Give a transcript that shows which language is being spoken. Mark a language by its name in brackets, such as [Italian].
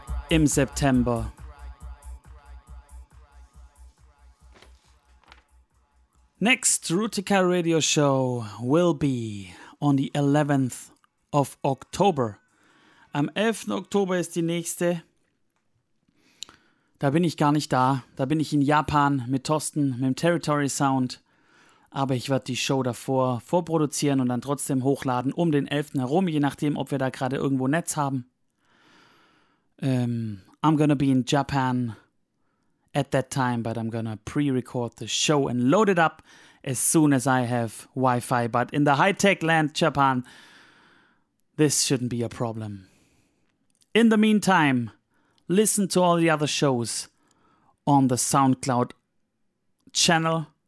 [German] Im September. [English] Next Rootikal Radio Show will be on the 11th of October. [German] Am 11. Oktober ist die nächste. Da bin ich gar nicht da. Da bin ich in Japan mit Thorsten, mit dem Territory Sound. Aber ich werde die Show davor vorproduzieren und dann trotzdem hochladen, um den 11. herum, je nachdem, ob wir da gerade irgendwo Netz haben. [English] I'm gonna be in Japan at that time, but I'm gonna pre-record the show and load it up as soon as I have Wi-Fi. But in the high-tech land, Japan, this shouldn't be a problem. In the meantime, listen to all the other shows on the SoundCloud channel.